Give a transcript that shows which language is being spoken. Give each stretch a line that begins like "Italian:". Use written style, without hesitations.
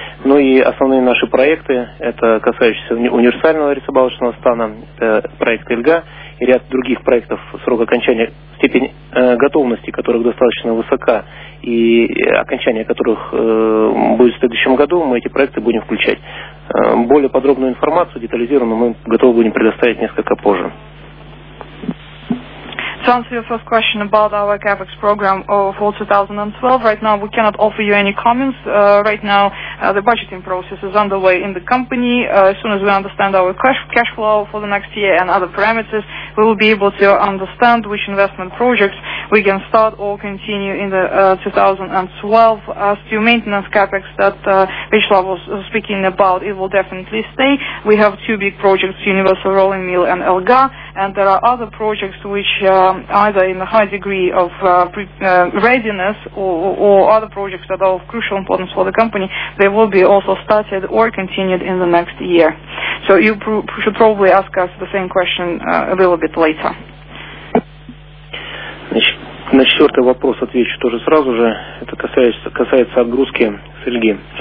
Russian: Ну и основные наши проекты, это касающиеся универсального рисобалочного стана, это проект Эльга и ряд других проектов, срок окончания, степень готовности которых достаточно высока и окончание которых будет в следующем году, мы эти проекты будем включать. Более подробную информацию, детализированную, мы готовы будем предоставить несколько позже.
English: To answer your first question about our CapEx program for 2012, right now we cannot offer you any comments. Right now the budgeting process is underway in the company. As soon as we understand our cash flow for the next year and other parameters, we will be able to understand which investment projects we can start or continue in the 2012. As to maintenance CapEx that Vyacheslav was speaking about, it will definitely stay. We have two big projects, Universal Rolling Mill and Elga, and there are other projects which either in a high degree of readiness or other projects that are of crucial importance for the company, they will be also started or continued in the next year. So you should probably ask us the same question a little bit later.
Russian: На четвертый вопрос отвечу тоже сразу же. Это касается отгрузки с Эльги.